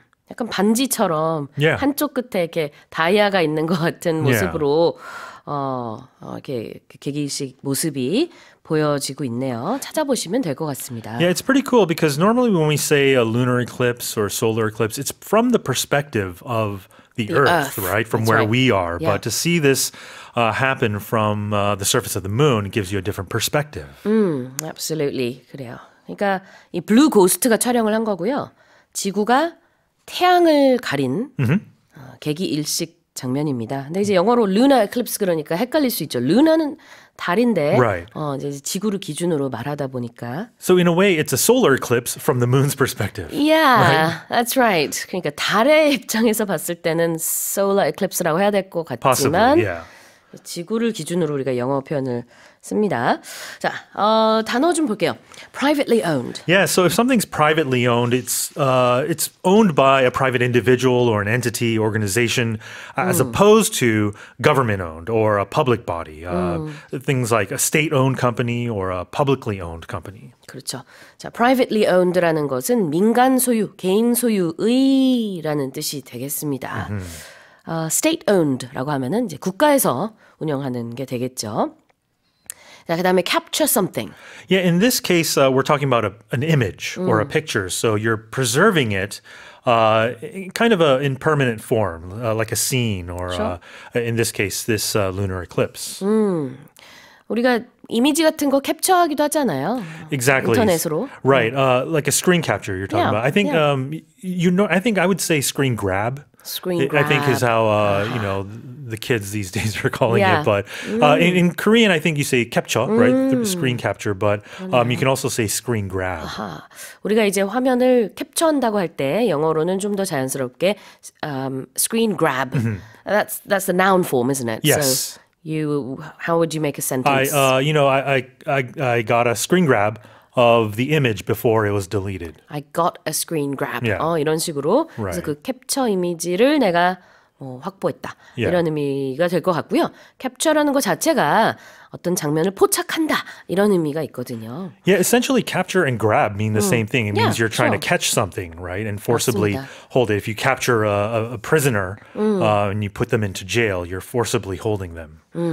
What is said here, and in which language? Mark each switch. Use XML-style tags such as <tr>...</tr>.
<ko>약간 반지처럼 한쪽 끝에 이렇게 다이아가 있는 것 같은 모습으로 이렇게 개기일식 모습이 보여지고 있네요. 찾아보시면 될 것 같습니다.</ko> <en>Yeah, it's pretty cool because normally when we say a lunar eclipse or solar eclipse, it's from the perspective of the Earth, right? From where we are. Yeah. But to see this happen from the surface of the moon gives you a different perspective. Absolutely,</en> <ko>그래요. 그러니까 이 블루 고스트가 촬영을 한 거고요. 지구가 태양을 가린 개기일식 장면입니다. 근데 이제 영어로 lunar eclipse 그러니까 헷갈릴 수 있죠. Luna는 달인데 이제 지구를 기준으로 말하다 보니까.</ko> <en>So in a way, it's a solar eclipse from the moon's perspective. Yeah, right? That's right.</en> <ko>그러니까 달의 입장에서 봤을 때는 solar eclipse라고 해야 될 것 같지만</ko> <en>Possibly, yeah.</en> <ko>지구를 기준으로 우리가 영어 표현을 씁니다. 자, 단어 좀 볼게요. Privately owned.</ko> <en>Yeah, so if something's privately owned, it's owned by a private individual or an entity, organization, as opposed to government-owned or a public body. Things like a state-owned company or a publicly owned company.</en> <ko>그렇죠. 자, privately owned라는 것은 민간 소유, 개인 소유의라는 뜻이 되겠습니다. Mm-hmm. State owned라고 하면은 이제 국가에서 운영하는 게 되겠죠. 자, 그다음에 capture something.</ko> <en>Yeah, in this case we're talking about an image or a picture. So you're preserving it kind of in permanent form like a scene or in this case this lunar eclipse.</en> <ko>우리가 이미지 같은 거 캡처하기도 하잖아요.</ko> <en>Exactly.</en> <ko>인터넷으로.</ko> <en>Right. Like a screen capture you're talking about. I think you know I think I would say screen grab. Screen grab. I think is how you know the kids these days are calling it. But in Korean, I think you say 캡처, right? Screen capture. But you can also say screen grab. 아하.</en> <ko>우리가 이제 화면을 캡처한다고 할 때 영어로는 좀 더 자연스럽게</ko> <en>screen grab. That's the noun form, isn't it? Yes. So you, how would you make a sentence? I got a screen grab of the image before it was deleted. I got a screen grab. Yeah.</en> <ko>이런 식으로.</ko> <en>Right.</en> <ko>그래서 그 캡처 이미지를 내가 확보했다. Yeah. 이런 의미가 될 것 같고요. Capture라는 것 자체가 어떤 장면을 포착한다. 이런 의미가 있거든요.</ko> <en>Yeah, essentially capture and grab mean the same thing. It means you're trying to catch something, right? And forcibly</en> <ko>맞습니다.</ko> <en>hold it. If you capture a prisoner and you put them into jail, you're forcibly holding them.</en>